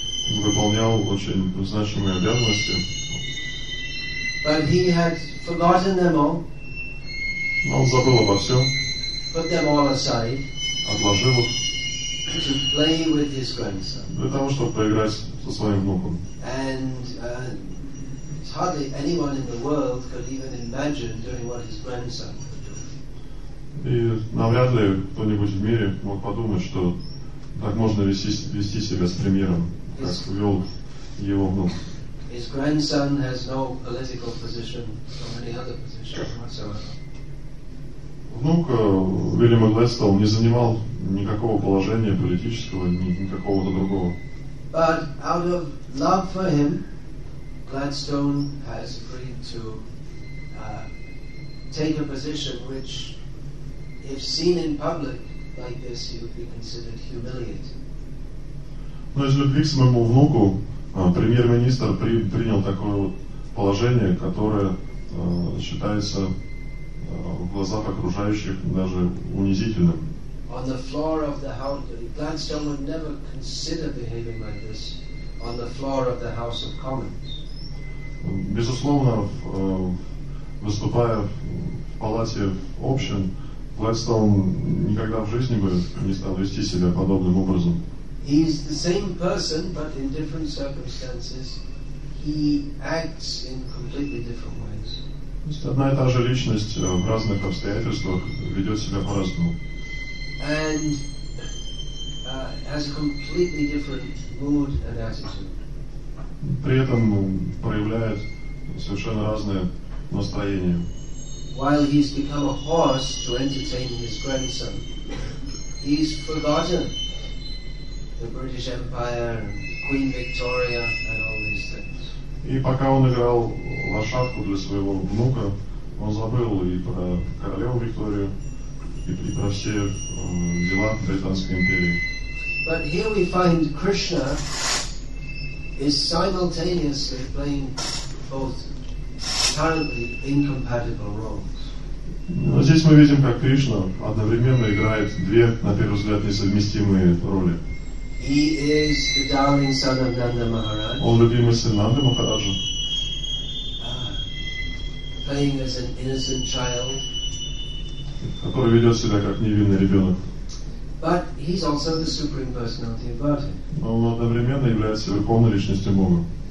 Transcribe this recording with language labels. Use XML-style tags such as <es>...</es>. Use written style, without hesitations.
<ru>Он выполнял очень значимые обязанности.</ru> <en>But he had forgotten them all.</en> <ru>Но он забыл обо всем.</ru> <en>Put them all aside.</en> <ru>Отложил их.</ru> <en>To play with his grandson.</en> <ru>Для того, чтобы поиграть со своим внуком.</ru> <en>And hardly anyone in the world could even imagine doing what his grandson.</en> <ru>И навряд ли кто-нибудь в мире мог подумать, что так можно вести себя с премьером, his, как вел его внук.</ru> <en>His grandson has no political position or any other position whatsoever.</en> <ru>Внук Уильяма Гладстоуна не занимал никакого положения политического, ни какого-то другого.</ru> <en>But out of love for him, Gladstone has agreed to take a position which, if seen in public like this, he would be considered humiliating.</en> <ru>Но из любви к своему внуку премьер-министр принял такое вот положение, которое считается в глазах окружающих даже унизительным.</ru> <en>On the floor of the House, Gladstone would never consider behaving like this on the floor of the House of Commons.</en> <ru>Безусловно, выступая в палате общин, Гладстоун никогда в жизни бы не стал вести себя подобным образом.</ru> <en>He's the same person, but in different circumstances, he acts in completely different ways.</en> <ru>То есть одна и та же личность в разных обстоятельствах ведет себя по-разному.</ru> <en>And has a completely different mood and attitude.</en> <ru>При этом проявляет совершенно разное настроение.</ru> <en>while he's become a horse to entertain his grandson, he's forgotten the British Empire and Queen Victoria and all these things.</en> <ru>И пока он играл лошадку для своего внука, он забыл и про королеву Викторию, и про все дела Британской империи.</ru> <en>But here we find Krishna is simultaneously playing both apparently incompatible roles.</en> <ru>Но здесь мы видим, как Кришна одновременно играет две, на первый взгляд, несовместимые роли.</ru> <en>He is the darling son of Nanda Maharaj.</en> <ru>Он любимый сын Нанды Махараджа.</ru> <en>Playing as an innocent child.</en> <ru>Который ведет себя как невинный ребенок.</ru> <en>But he's also the supreme personality of Godhead.</en> <ru>Но он одновременно является верховной личностью Бога.</ru>